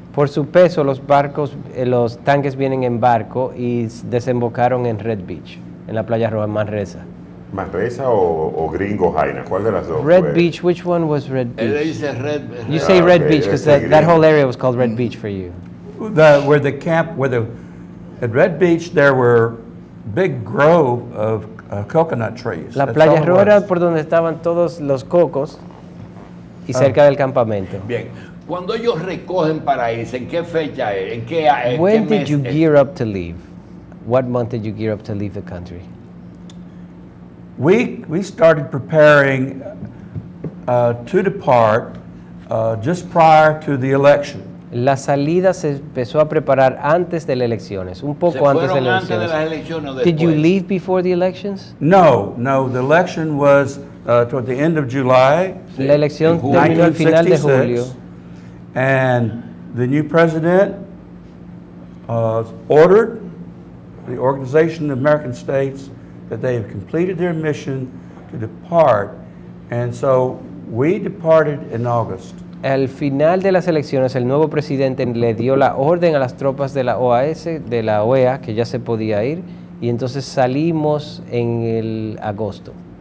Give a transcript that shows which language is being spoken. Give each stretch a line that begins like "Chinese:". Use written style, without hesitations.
Spanish: Por su peso, los barcos, los tanques vienen en barco y desembocaron en Red Beach, en la playa Roja Manresa. Manresa o Gringo Jaina, ¿cuál de las dos?
English: Red Beach. Which one was Red Beach?
Spanish: Él dice Red.
English: You say Red Beach because that whole area was called Red Beach for you. At Red Beach there were big grove of coconut trees.
Spanish: La playa Roja era por donde estaban todos los cocos y cerca del campamento. Bien. Cuando ellos recogen para irse, ¿en qué fecha es? ¿En qué mes?
English: When did you gear up to leave? What month did you gear up to leave the country? We started preparing to depart just prior to the election.
Spanish: La salida se empezó a preparar antes de las elecciones, un poco antes de las elecciones. Antes de las elecciones o después.
English: Did you leave before the elections? No, no. The election was toward the end of July.
Spanish: La elección terminó al final de julio.
English: And the new president ordered the Organization of American States that they have completed their mission to depart, and so we departed in August.
Spanish: Al final de las elecciones, el nuevo presidente le dio la orden a las tropas de la OAS, de la OEA, que ya se podía ir, y entonces salimos en el agosto.